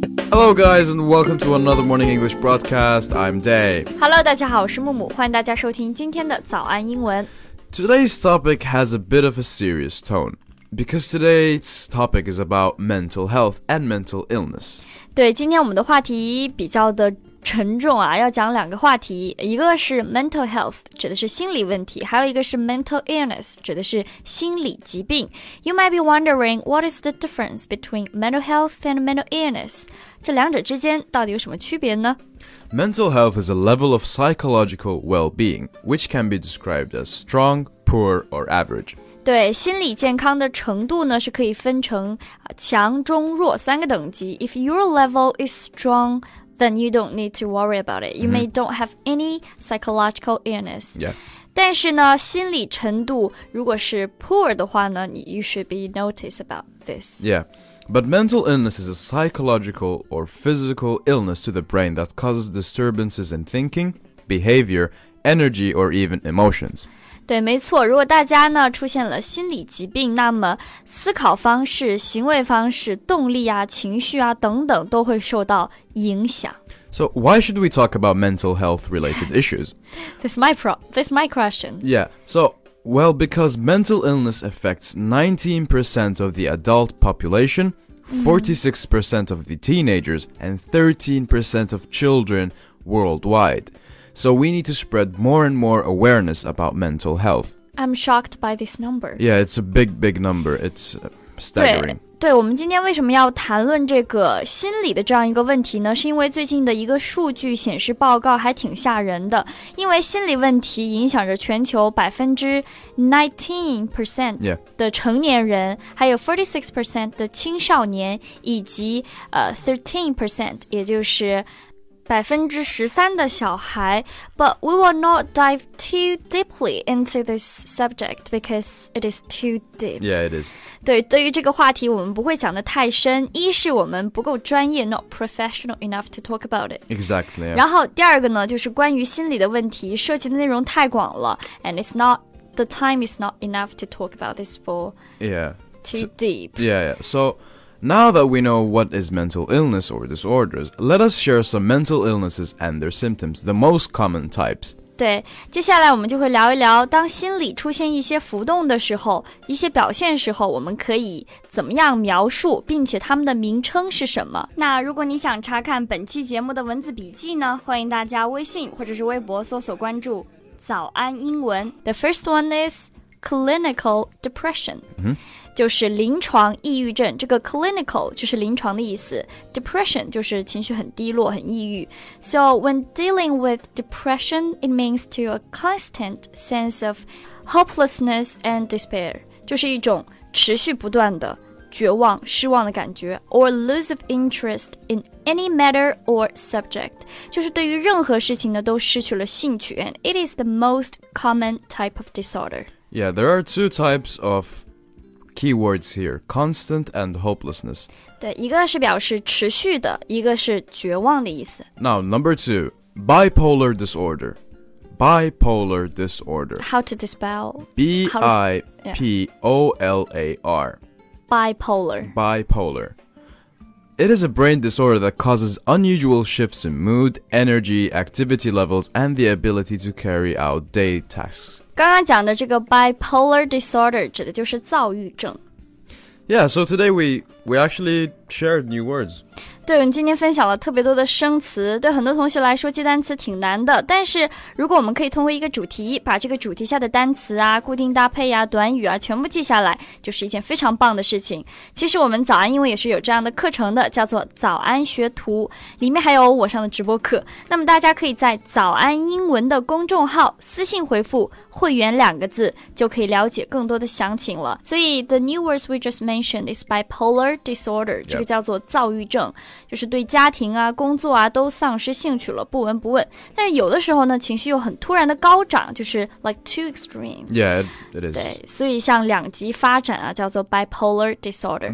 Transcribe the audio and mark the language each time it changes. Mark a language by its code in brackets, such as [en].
[en] Hello, guys, and welcome to another Morning English broadcast. I'm Day. [zh] Hello, 大家好，我是木木，欢迎大家收听今天的早安英文。 [en] Today's topic has a bit of a serious tone. Because today's topic is about mental health and mental illness. [zh] 对，今天我们的话题比较的沉重啊，要讲两个话题，一个是 mental health, 指的是心理问题，还有一个是 mental illness, 指的是心理疾病。 [en] You might be wondering, what is the difference between mental health and mental illness? [zh] 这两者之间到底有什么区别呢？ [en] Mental health is a level of psychological well-being, which can be described as strong, poor, or average. [zh] 对心理健康的程度呢是可以分成强中弱三个等级 [en] If your level is strong, then you don't need to worry about it. You、mm-hmm. may don't have any psychological illness. Yeah. [zh] 但是呢心理程度如果是 poor 的话呢 [en] you should be noticed about this. Yeah, but mental illness is a psychological or physical illness to the brain that causes disturbances in thinking, behavior, energy, or even emotions. [zh] 对没错如果大家呢出现了心理疾病那么思考方式行为方式动力啊情绪啊等等都会受到影响。 [en] So why should we talk about mental health related issues? This is my question. Yeah, so, well, because mental illness affects 19% of the adult population, 46% of the teenagers, and 13% of children worldwide. So we need to spread more and more awareness about mental health. I'm shocked by this number. Yeah, it's a big, big number. It's staggering. [zh] 对, 对我们今天为什么要谈论这个心理的这样一个问题呢？是因为最近的一个数据显示报告还挺吓人的。因为心理问题影响着全球 19% 的成年人、 [en] yeah. [zh] 还有 46% 的青少年以及、13% 也就是13% 的小孩 [en] but we will not dive too deeply into this subject because it is too deep. Yeah, it is. [zh] 对，对于这个话题我们不会讲得太深，一是我们不够专业 [en] not professional enough to talk about it. Exactly.、Yeah. [zh] 然后第二个呢，就是关于心理的问题，涉及的内容太广了 [en] and the time is not enough to talk about this for too deep. Yeah, yeah. So... Now that we know what is mental illness or disorders, let us share some mental illnesses and their symptoms, the most common types. [zh] 对，接下来我们就会聊一聊，当心理出现一些浮动的时候，一些表现时候，我们可以怎么样描述，并且他们的名称是什么。那如果你想查看本期节目的文字笔记呢，欢迎大家微信或者是微博搜索关注早安英文。 [en] The first one is clinical depression. Mm-hmm. [zh] 就是临床抑郁症这个 clinical 就是临床的意思 depression 就是情绪很低落很抑郁 [en] So when dealing with depression it means to a constant sense of hopelessness and despair [zh] 就是一种持续不断的绝望失望的感觉 [en] or loss of interest in any matter or subject [zh] 就是对于任何事情呢都失去了兴趣 [en] and it is the most common type of disorder Yeah, there are two types ofKeywords here, constant and hopelessness. [zh] 对，一个是表示持续的，一个是绝望的意思。 [en] Now, number two, bipolar disorder. Bipolar disorder. How to dispel? B-I-P-O-L-A-R. Bipolar. Bipolar. It is a brain disorder that causes unusual shifts in mood, energy, activity levels, and the ability to carry out day tasks. [zh] 刚刚讲的这个 bipolar disorder 指的就是躁郁症。 [en] Yeah, so today we actually shared new words. [zh] 对，我们今天分享了特别多的生词。对很多同学来说，记单词挺难的。但是如果我们可以通过一个主题，把这个主题下的单词啊、固定搭配啊、短语啊全部记下来，就是一件非常棒的事情。其实我们早安英文也是有这样的课程的，叫做早安学徒，里面还有我上的直播课。那么大家可以在早安英文的公众号私信回复会员两个字，就可以了解更多的详情了。 [en] 所以 the new words we just mentioned is bipolar disorder. [zh] 这个叫做躁郁症、 [en] yep. [zh] 就是对家庭啊工作啊都丧失兴趣了不闻不问但是有的时候呢情绪又很突然的高涨就是 [en] like two extremes Yeah, it is [zh] 对所以像两极发展啊叫做 bipolar disorder